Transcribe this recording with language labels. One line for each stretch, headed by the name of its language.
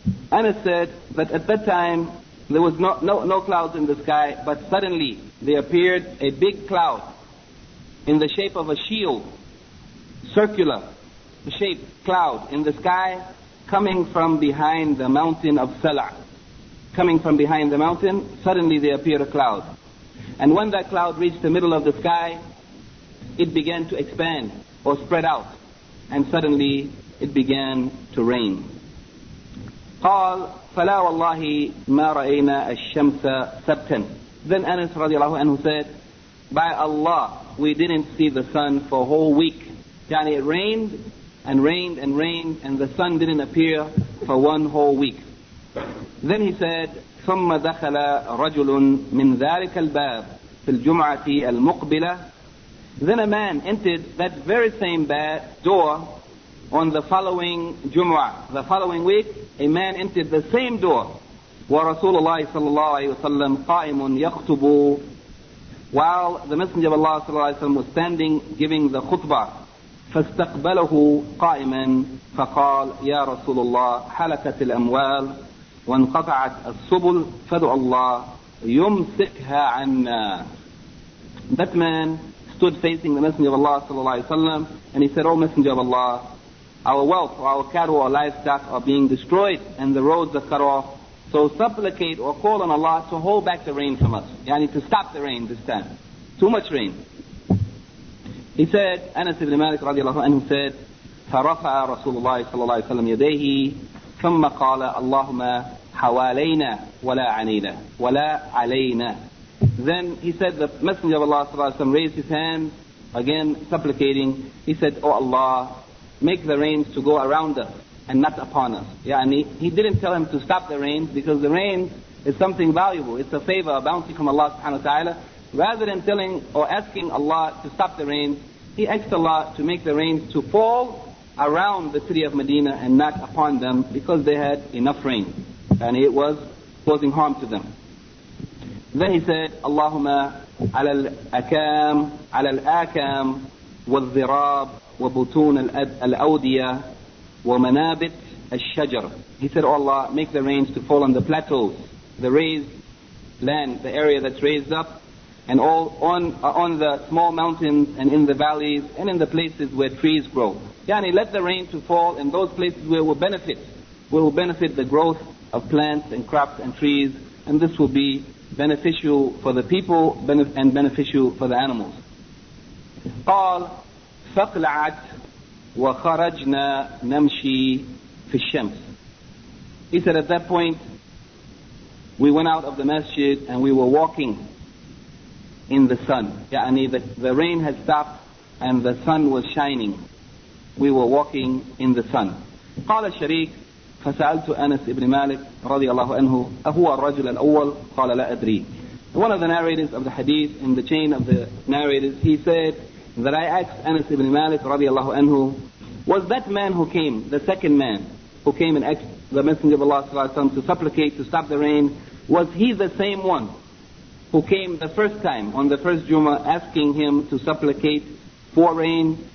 English: Anas said that at that time there was no clouds in the sky, but suddenly there appeared a big cloud in the shape of a shield, circular shaped cloud in the sky, coming from behind the mountain of Salah. Coming from behind the mountain, suddenly there appeared a cloud. And when that cloud reached the middle of the sky, it began to expand or spread out, and suddenly it began to rain.
Arabic: قال فلا والله ما رأينا الشمس سبتا.
English: Then Anas radiallahu anhu said, "By Allah, we didn't see the sun for a whole week." Yani it rained and rained and rained, and the sun didn't appear for one whole week. Then he said,
Arabic: ثم دخل رجل من ذلك الباب في الجمعة المقبلة.
English: Then a man entered that very same door on the following Jumu'ah, the following week. A man entered the same door.
Arabic: ورسول الله صلى الله عليه وسلم قائم يخطب,
English: while the Messenger of Allah صلى الله عليه وسلم was standing giving the khutbah.
Arabic: فاستقبله قائما فقال يا رسول الله حلقت الأموال وانقطعت السبل فدع الله يمسكها عنا.
English: That man stood facing the Messenger of Allah صلى الله عليه وسلم, and he said, "O Messenger of Allah, our wealth, or our cattle, or livestock are being destroyed, and the roads are cut off. So supplicate or call on Allah to hold back the rain from us." Yani to stop the rain this time. Too much rain. He said, Anas ibn Malik
Arabic: رضي الله عنه
English: said,
Arabic: فرفع رسول الله صلى الله عليه وسلم يديه ثم قال اللهم حوالينا ولا علينا ولا علينا.
English: Then he said, the Messenger of Allah صلى الله عليه وسلم raised his hand again supplicating. He said, "O Allah, make the rains to go around us and not upon us." Yeah, and he didn't tell him to stop the rains, because the rains is something valuable. It's a favor, a bounty from Allah subhanahu wa ta'ala. Rather than telling or asking Allah to stop the rains, he asked Allah to make the rains to fall around the city of Medina and not upon them, because they had enough rain and it was causing harm to them. Then he said,
Arabic: اللهم على الأكام على الأكام والذراب وبطون الأودية ومنابت الشجر.
English: He said, "Oh Allah, make the rains to fall on the plateaus, the raised land, the area that's raised up, and all on the small mountains and in the valleys and in the places where trees grow." Yani let the rain to fall in those places where we will benefit the growth of plants and crops and trees, and this will be beneficial for the people and beneficial for the animals.
Arabic: قال فقلعت وخرجنا نمشي في الشمس.
English: He said, at that point we went out of the masjid and we were walking in the sun. Yani the rain had stopped and the sun was shining. We were walking in the sun.
Arabic: قال الشريك فسألت أنس ابن مالك رضي الله عنه أهو الرجل الأول قال لا أدري.
English: One of the narrators of the hadith in the chain of the narrators, he said that I asked Anas ibn Malik رضي الله عنه, was that man who came, the second man who came and asked the Messenger of Allah صلى الله عليه وسلم to supplicate, to stop the rain, was he the same one who came the first time on the first Jummah asking him to supplicate for rain?